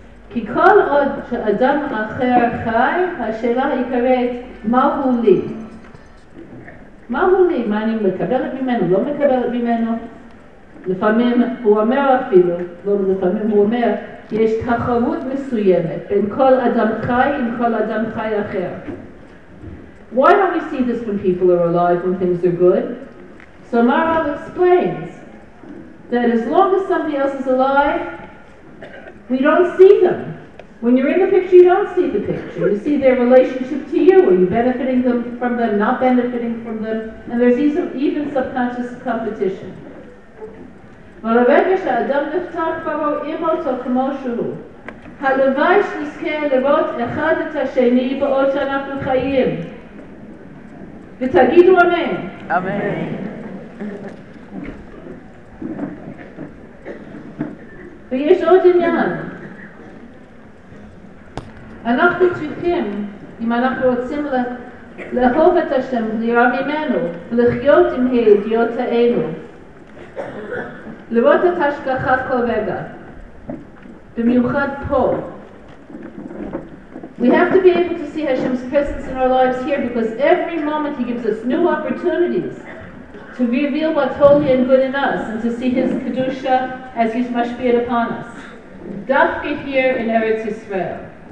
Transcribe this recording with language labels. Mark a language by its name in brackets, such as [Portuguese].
[Hebrew] כי כל עוד שאדם אחר חי, השאלה העיקרית, מה הוא לי? מה הוא לי? מה אני מקבלת ממנו? לא מקבלת ממנו? לפעמים הוא אומר אפילו, לא לפעמים הוא אומר, יש תחרות מסוימת בין כל אדם חי עם כל אדם חי אחר. [English] Why don't we see this when people are alive, when things are good? So Maharal explains that as long as somebody else is alive, we don't see them. When you're in the picture, you don't see the picture. You see their relationship to you. Are you benefiting them from them, not benefiting from them? And there's even subconscious competition. [Hebrew] אבל הרגע שהאדם נפטר כבר רואים אותו כמו שהוא. הלוואי שנזכה לראות אחד את השני בעוד שאנחנו חיים. ותגידו אמן. אמן. ויש עוד עניין. אנחנו צריכים, אם אנחנו רוצים לאהוב את השם ולירא ממנו, ולחיות עם הידיעות האלו, לראות את השגחה כל רגע, במיוחד פה. [English] We have to be able to see Hashem's presence in our lives here because every moment He gives us new opportunities to reveal what's holy and good in us and to see His Kedusha as He's mashpiyed upon us. Dafke here in Eretz Yisrael.